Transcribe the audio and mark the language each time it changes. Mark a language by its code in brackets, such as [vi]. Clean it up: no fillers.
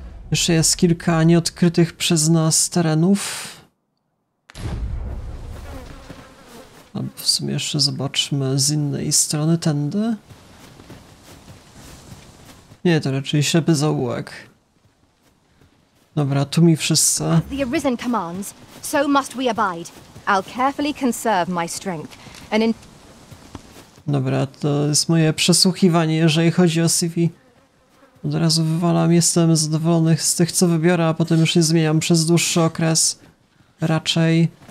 [pl] Jeszcze jest kilka nieodkrytych przez nas terenów. Albo w sumie jeszcze zobaczmy z innej strony tędy. Nie, to raczej ślepy zaułek. Dobra, tu mi wszyscy. [en] The arisen commands, so must we abide. I'll carefully conserve my strength. And in... [pl] Dobra, to jest moje przesłuchiwanie, jeżeli chodzi o CV. Od razu wywalam, jestem zadowolony z tych, co wybiorę, a potem już nie zmieniam przez dłuższy okres. Raczej.